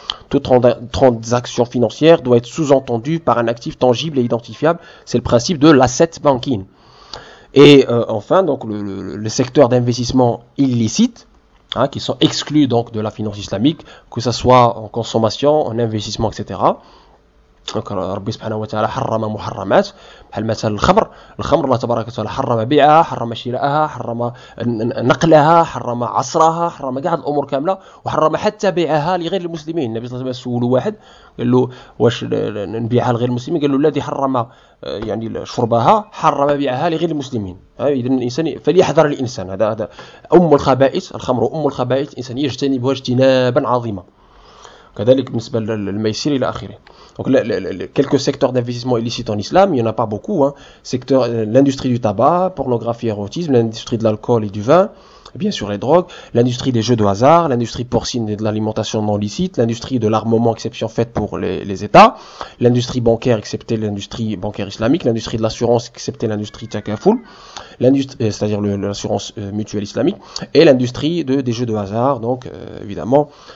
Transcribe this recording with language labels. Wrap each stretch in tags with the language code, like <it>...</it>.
<fr>Toute transaction financière doit être sous-entendue par un actif tangible et identifiable. C'est le principe de l'asset banking. Et enfin, donc le secteur d'investissement illicite, hein, qui sont exclus donc de la finance islamique, que ce soit en consommation, en investissement, etc.</fr> <ar>ربي سبحانه وتعالى حرم محرمات، بحال مثلا الخمر، الخمر الله تبارك وتعالى حرم بيعها، حرم شراءها، حرم نقلها، حرم عصرها، حرم كاع الامور كامله، وحرم حتى بيعها لغير المسلمين. النبي صلى الله عليه وسلم سولوا واحد قال له واش نبيعها لغير المسلمين، قال له الذي حرم يعني شربها حرم بيعها لغير المسلمين. اذا الانسان فليحذر الانسان، هذا ام الخبائث، الخمر ام الخبائث، الانسان يجتنبها اجتنابا عظيما. كذلك بالنسبه للميسر الى اخره.</ar> <fr>Donc, quelques secteurs d'investissement illicites en islam, il n'y en a pas beaucoup. Hein. Secteur, l'industrie du tabac, pornographie, érotisme, l'industrie de l'alcool et du vin, bien sûr les drogues, l'industrie des jeux de hasard, l'industrie porcine et de l'alimentation non licite, l'industrie de l'armement, exception faite pour les États, l'industrie bancaire, excepté l'industrie bancaire islamique, l'industrie de l'assurance, excepté l'industrie takaful, c'est-à-dire l'assurance mutuelle islamique, et l'industrie des jeux de hasard, donc évidemment.</fr>